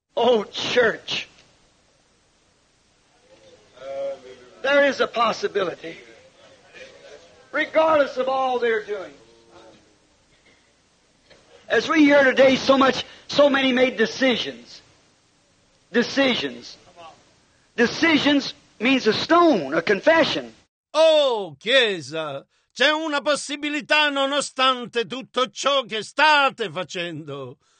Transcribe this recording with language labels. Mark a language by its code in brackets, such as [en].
[en] Oh, church! There is a possibility, regardless of all they're doing. As we hear today, so many made decisions. Decisions. Decisions means a stone, a confession. [it] Oh, Chiesa, c'è una possibilità nonostante tutto ciò che state facendo.